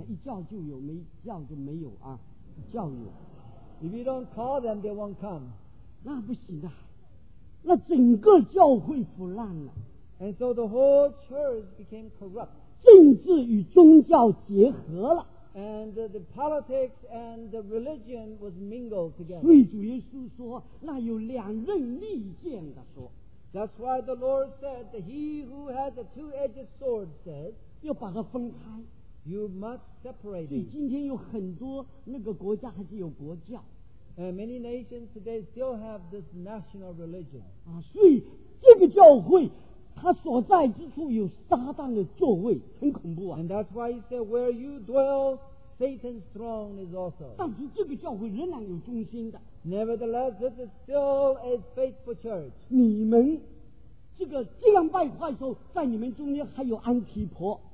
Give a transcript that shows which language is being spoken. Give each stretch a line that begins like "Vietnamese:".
Chinese: 一叫就有, 没叫就没有啊, 教友,
English: if you don't call them, they won't come.
Chinese: 那不行啊, 那整个教会腐烂了,
English: and so the whole church became corrupt.
Chinese: 政治与宗教结合了,
English: and the politics and the religion was mingled together.
Chinese: 所以主耶稣说, 那有两刃利剑的说,
English: that's why the Lord said that he who has a two-edged sword says,
Chinese: 要把它分开,
English: you must separate it.
Chinese: 所以今天有很多那个国家还是有国教,
English: and many nations today still have this national religion.
Chinese: 所以这个教会, 他所在之处有撒旦的座位, 很恐怖啊,
English: and that's why he said, where you dwell, Satan's throne is also.
Chinese: 但是这个教会仍然有忠心的,
English: nevertheless, this is still a faithful church.
Chinese: 你们这个敬拜的时候, 在你们中间还有安提婆,